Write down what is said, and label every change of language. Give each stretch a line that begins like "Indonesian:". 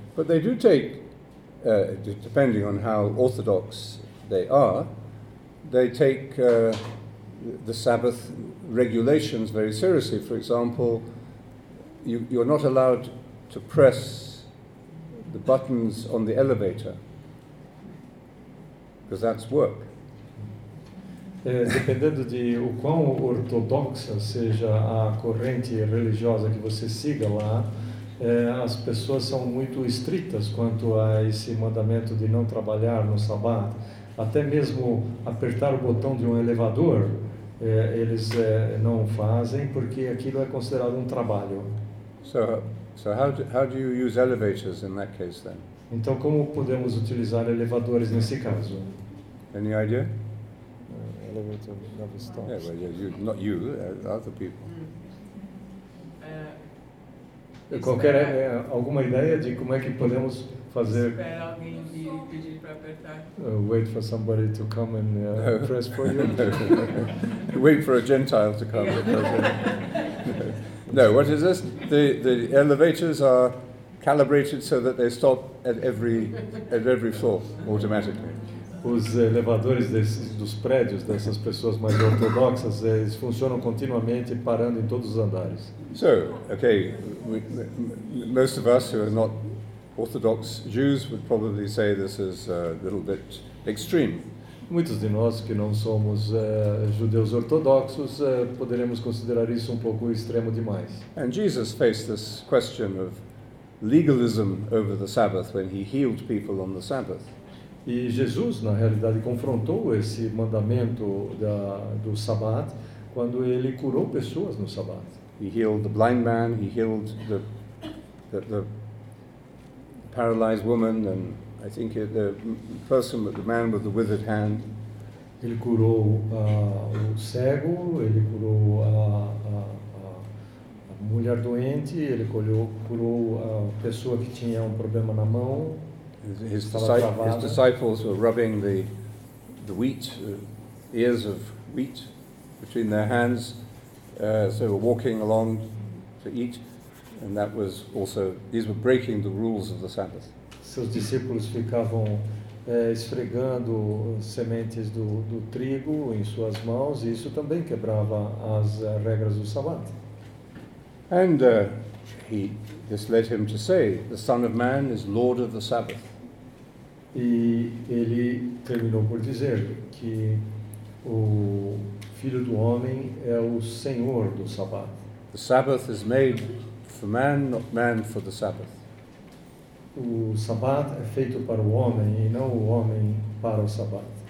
English: But they do take, depending on how orthodox they are, they take the Sabbath regulations very seriously. For example, you're not allowed to press the buttons on the elevator, because that's work.
Portuguese: Dependendo de o quão ortodoxa seja a corrente religiosa que você siga lá, as pessoas são muito estritas quanto a esse mandamento de não trabalhar no sabá. Até mesmo apertar o botão de um elevador, eles não fazem porque aquilo é considerado um trabalho.
English: So how do you use elevators in that case then?
Portuguese: Então como podemos utilizar elevadores nesse caso?
English: Any idea? Elevator never stops. Yeah, well, yeah, not you, other people.
Portuguese: Qualquer alguma ideia de como é que podemos fazer? Espera alguém pedir para apertar.
English: Wait for somebody to come and press for you. Wait for a Gentile to come. Yeah. No, what is this? The elevators are calibrated so that they stop at every floor automatically.
Portuguese: Os elevadores dos prédios dessas pessoas mais ortodoxas, eles funcionam continuamente parando em todos os andares.
English: So, okay, most of us who are not Orthodox Jews would probably say this is a little bit extreme.
Portuguese: Muitos de nós que não somos judeus ortodoxos poderemos considerar isso um pouco extremo demais.
English: And Jesus faced this question of legalism over the Sabbath when he healed people on the Sabbath.
Portuguese: E Jesus, na realidade, confrontou esse mandamento do Sabbat quando ele curou pessoas no Sabbat.
English: He healed the blind man, he healed the paralyzed woman, and I think the person, the man with the withered hand.
Portuguese: Ele curou o cego, ele curou a mulher doente, ele curou a pessoa que tinha um problema na mão.
English: His disciples were rubbing the wheat, ears of wheat, between their hands as they were walking along to eat. And that was also, these were breaking the rules of the Sabbath.
Portuguese: Seus discípulos ficavam esfregando sementes do trigo em suas mãos, e isso também quebrava as regras do Sabbat.
English: And this led him to say, the Son of Man is Lord of the Sabbath.
Portuguese: E ele terminou por dizer que o Filho do Homem é o Senhor do Sabbat.
English: The Sabbath is made for man, not man for the Sabbath.
Portuguese: O Sabbath é feito para o homem e não o homem para o Sabbath.